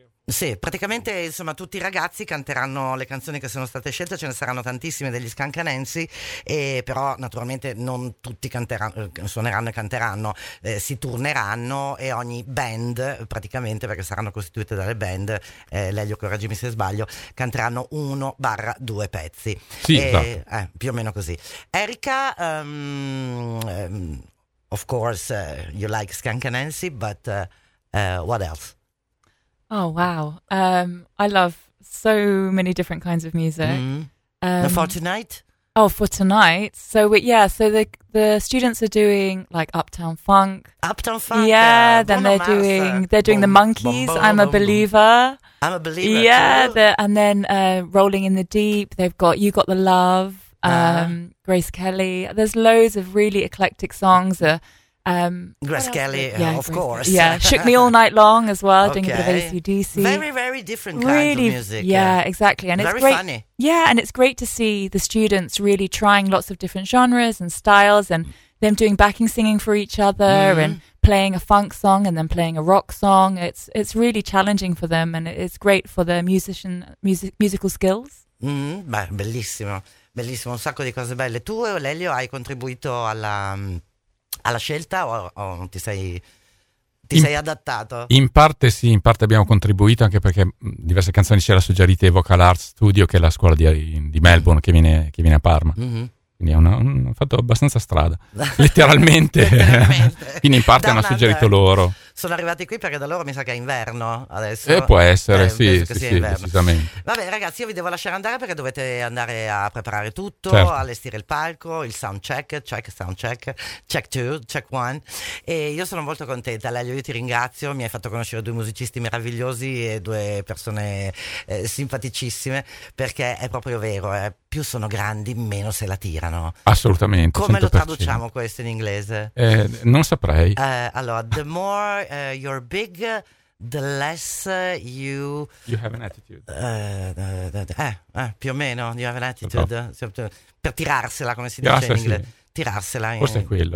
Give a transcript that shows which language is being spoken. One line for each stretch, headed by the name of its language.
Italian: Sì, praticamente insomma tutti i ragazzi canteranno le canzoni che sono state scelte, ce ne saranno tantissime degli Skunk Anansie, però naturalmente non tutti suoneranno e canteranno, si turneranno e ogni band praticamente, perché saranno costituite dalle band, Lelio correggimi se sbaglio, canteranno 1/2 pezzi. Sì, più o meno così.
English: Erika, of course you like Skunk Anansie, but what else? Oh, wow. I love so many different kinds of music. Mm. For tonight? Oh, for tonight. So the students are doing like Uptown Funk. Uptown Funk. Yeah, then they're doing the Monkees. I'm a Believer. I'm a Believer. Yeah, and then Rolling in the Deep. They've got You Got the Love. Grace Kelly. There's loads of really eclectic songs. Grace Kelly, yeah, of course. Yeah, Shook Me All Night Long as well, okay. Doing a bit of AC/DC. Very, very different kinds really, of music. Yeah, exactly. And very it's great, funny. Yeah, and it's great to see the students really trying lots of different genres and styles and them doing backing singing for each other and playing a funk song and then playing a rock song. It's really challenging for them and it's great for their musical skills.
Italian: Bellissimo. Bellissimo, un sacco di cose belle. Tu, Lelio, hai contribuito alla scelta o ti sei adattato? In parte sì, in parte abbiamo contribuito, anche perché diverse canzoni ce l'ha suggerite Vocal Arts Studio, che è la scuola di Melbourne che viene a Parma. Mm-hmm. Quindi hanno fatto abbastanza strada, letteralmente. Quindi in parte hanno suggerito loro. Sono arrivati qui perché da loro mi sa che è inverno adesso. Può essere, sì, decisamente. Vabbè ragazzi, io vi devo lasciare andare perché dovete andare a preparare tutto, certo. Allestire il palco, il sound check, check two, check one. E io sono molto contenta, Lelio, io ti ringrazio, mi hai fatto conoscere due musicisti meravigliosi e due persone simpaticissime, perché è proprio vero, più sono grandi, meno se la tirano. Assolutamente. Come 100%. Lo traduciamo questo in inglese? Non saprei.
English: Allora, the more you're big, the less you have an attitude.
Italian: Più o meno, you have an attitude. No. Per tirarsela, come si dice in inglese. Sì. Tirarsela. Forse è quello.